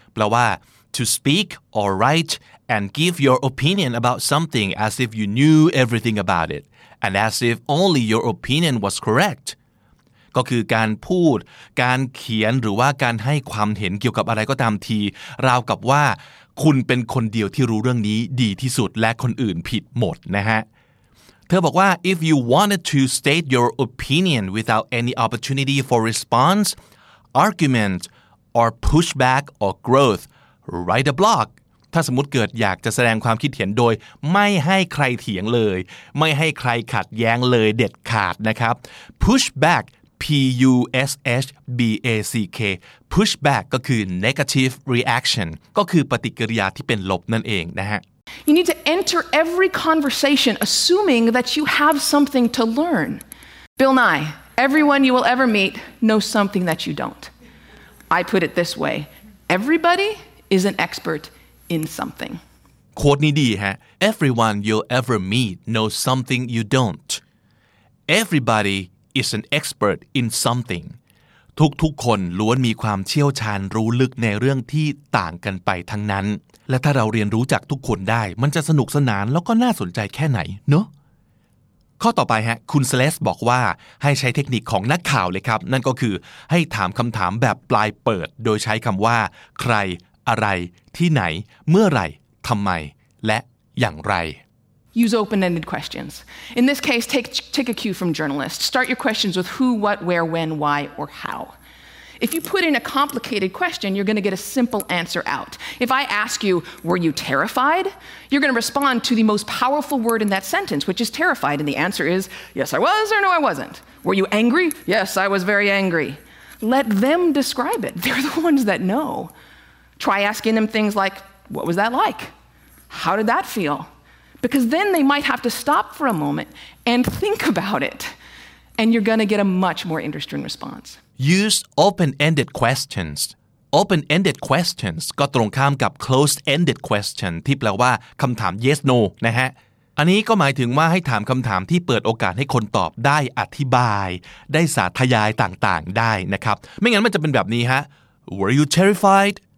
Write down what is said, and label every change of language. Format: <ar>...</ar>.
<th>แปลว่า</th> <en>to speak or write and give your opinion about something as if you knew everything about it and as if only your opinion was correct.</en> <th>ก็คือการพูดการเขียนหรือว่าการให้ความเห็นเกี่ยวกับอะไรก็ตามทีราวกับว่าคุณเป็นคนเดียวที่รู้เรื่องนี้ดีที่สุดและคนอื่นผิดหมดนะฮะเธอบอกว่า</th> <en>if you wanted to state your opinion without any opportunity for response, argument, or pushback or growth, write a blog.</en> <th>ถ้าสมมติเกิดอยากจะแสดงความคิดเห็นโดยไม่ให้ใครเถียงเลยไม่ให้ใครขัดแย้งเลยเด็ดขาดนะครับ pushback P-U-S-H-B-A-C-K pushback ก็คือ negative reaction ก็คือปฏิกิริยาที่เป็นลบนั่นเองนะฮะ</th> <en>You need to enter every conversation assuming that you have something to learn. Bill Nye, everyone you will ever meet knows something that you don't. I put it this way, everybody is an expert in something. Quote</en> <th>นี้ดีฮะ</th> <en>Everyone you'll ever meet knows something you don't. Everybody is an expert in something.</en> <th>ทุกๆคนล้วนมีความเชี่ยวชาญรู้ลึกในเรื่องที่ต่างกันไปทั้งนั้นและถ้าเราเรียนรู้จากทุกคนได้มันจะสนุกสนานแล้วก็น่าสนใจแค่ไหนเนาะข้อต่อไปฮะคุณเซเลสบอกว่าให้ใช้เทคนิคของนักข่าวเลยครับนั่นก็คือให้ถามคำถามแบบปลายเปิดโดยใช้คำว่าใครอะไรที่ไหนเมื่อไรทำไมและอย่างไร</th> <en>Use open-ended questions. In this case, take a cue from journalists. Start your questions with who, what, where, when, why, or how. If you put in a complicated question, you're going to get a simple answer out. If I ask you, were you terrified? You're going to respond to the most powerful word in that sentence, which is terrified, and the answer is, yes, I was, or no, I wasn't. Were you angry? Yes, I was very angry. Let them describe it. They're the ones that know. Try asking them things like, what was that like? How did that feel? Because then they might have to stop for a moment and think about it, and you're going to get a much more interesting response. Use open-ended questions.</en> <th>Open-ended questions ก็ตรงข้ามกับ closed-ended question ที่แปลว่าคำถาม yes no นะฮะอันนี้ก็หมายถึงว่าให้ถามคำถามที่เปิดโอกาสให้คนตอบได้อธิบายได้สาธยายต่างๆได้นะครับไม่งั้นมันจะเป็นแบบนี้ฮะ</th> <en>Were you terrified?</en>